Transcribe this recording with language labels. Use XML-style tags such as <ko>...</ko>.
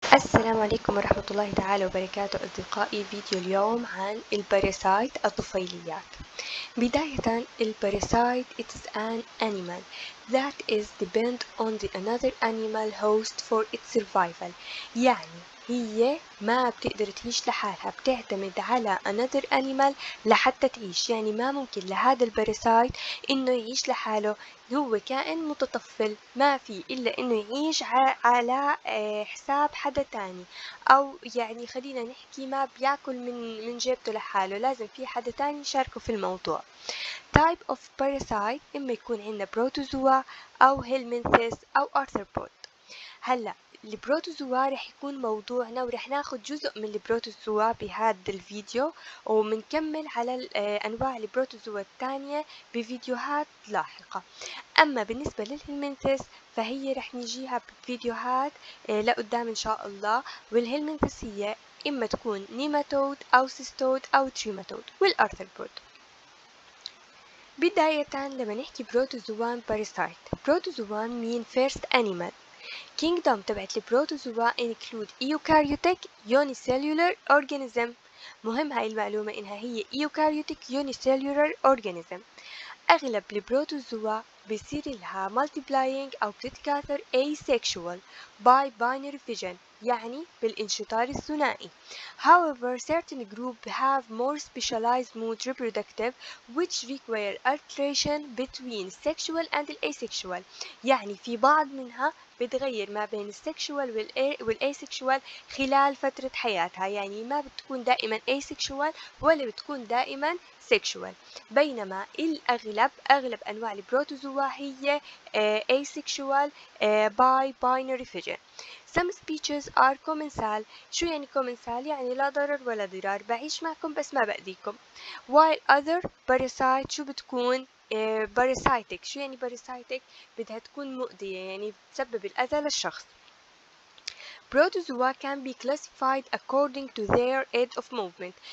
<ar>السلام عليكم ورحمة الله تعالى وبركاته أصدقائي. فيديو اليوم عن الباراسايت الطفيليات.</ar> <en>بداية، الباراسايت is an animal that is depend on the another animal host for its survival.</en> <ar>يعني هي ما بتقدر تعيش لحالها، بتعتمد على</ar> <en>another animal</en> <ar>لحتى تعيش. يعني ما ممكن لهذا الباراسايت انه يعيش لحاله، هو كائن متطفل ما في الا انه يعيش على حساب حدا تاني، او يعني خلينا نحكي ما بياكل من جيبته لحاله، لازم في حدا تاني يشاركه في الموضوع.</ar> <en>type of parasite</en> <ar>اما يكون عندنا بروتوزوا او هيلمنثس او ارثروبود. هلا البروتوزوا رح يكون موضوعنا، ورح ناخد جزء من البروتوزوا بهذا الفيديو، ومنكمل على أنواع البروتوزوا الثانية بفيديوهات لاحقة. أما بالنسبة للهلمنثس فهي رح نجيها بفيديوهات لقدام إن شاء الله. والهلمنثس هي إما تكون نيماتود أو سيستود أو تريماتود والأرثروبود. بداية لما نحكي بروتوزوان باراسايت، بروتوزوان مين فيرست أنيمال.</ar> <en>Kingdom</en> <ar>تبعت البروتوزوا</ar> <en>include eukaryotic unicellular organism.</en> <ar>مهم هاي المعلومة إنها هي</ar> <en>eukaryotic unicellular organism.</en> <ar>أغلب البروتوزوا بيصير لها multiplying أو بتتكاثر</ar> <en>asexual by binary fission،</en> <ar>يعني بالانشطار الثنائي.</ar> <en>However, certain group have more specialized mode reproductive which require alteration between sexual and asexual.</en> <ar>يعني في بعض منها بتغير ما بين السكشوال والايسكشوال خلال فترة حياتها، يعني ما بتكون دائما asexual ولا بتكون دائما sexual. بينما الأغلب أغلب أنواع البروتوزوا هي</ar> <en>asexual by binary fission. Some species are commensal.</en> <ar>شو يعني commensal؟ يعني لا ضرر ولا ضرار، بعيش معكم بس ما بأذيكم.</ar> <en>While other parasite</en> <ar>شو بتكون؟</ar> <en>parasitic.</en> <ar>شو يعني parasitic؟ بدها تكون مؤذية، يعني بتسبب الأذى للشخص.</ar> <en>Protozoa can be classified according to their aid of movement.</en>